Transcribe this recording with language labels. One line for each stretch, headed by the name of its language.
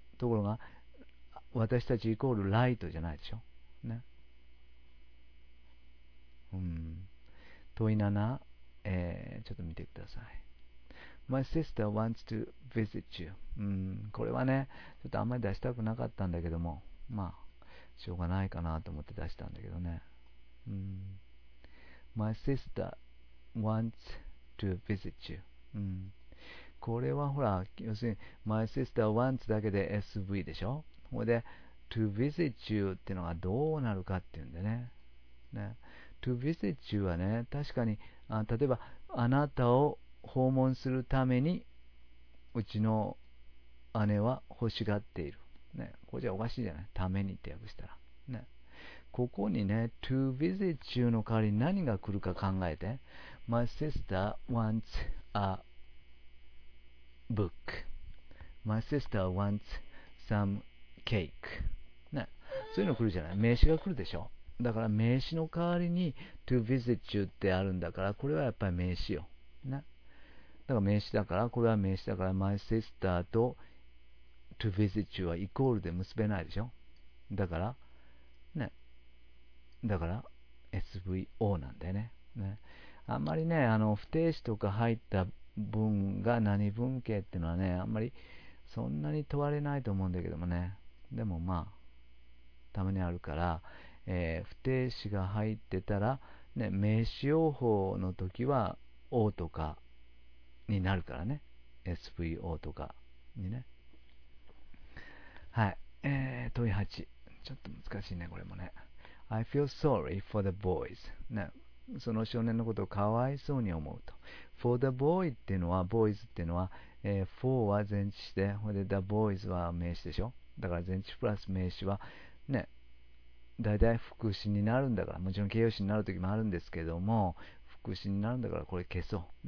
Japanese: ところが私たちイコールライトじゃないでしょ、ね、うん。問7、ちょっと見てください。
English: My sister wants to visit you、
Japanese: うん、これはねちょっとあんまり出したくなかったんだけども、まあしょうがないかなと思って出したんだけどね、うん。
English: My sister wants to visit you、
Japanese: うん、これはほら要するに My sister wants だけで SV でしょ。ここで
English: To visit you
Japanese: っていうのがどうなるかっていうんで ね To visit you はね確かに例えばあなたを訪問するためにうちの姉は欲しがっている、ね、これじゃおかしいじゃない、ためにって訳したらね。ここにね、to visit you の代わりに何が来るか考えて。
English: My sister wants a book. My sister wants some cake.
Japanese: ね、そういうの来るじゃない。名詞が来るでしょ。だから名詞の代わりに to visit you ってあるんだから、これはやっぱり名詞よ。ね、だから名詞だから、これは名詞だから、my sister と to visit you はイコールで結べないでしょ。だから、ね。だから SVO なんだよ ね。あんまりね不定詞とか入った文が何文型っていうのはねあんまりそんなに問われないと思うんだけどもね。でもまあたまにあるから、不定詞が入ってたら、ね、名詞用法の時は O とかになるからね、 SVO とかにね。はい、問い8、ちょっと難しいねこれもね。
English: I feel sorry for the boys.
Japanese: ね、その少年のことをかわいそうに思うと。
English: For the boy
Japanese: っていうのは、boys っていうのは、for は前置詞で、ほんで the boys は名詞でしょ。だから前置詞プラス名詞は、ね、だいたい副詞になるんだから、もちろん形容詞になるときもあるんですけども、副詞になるんだからこれ消そう。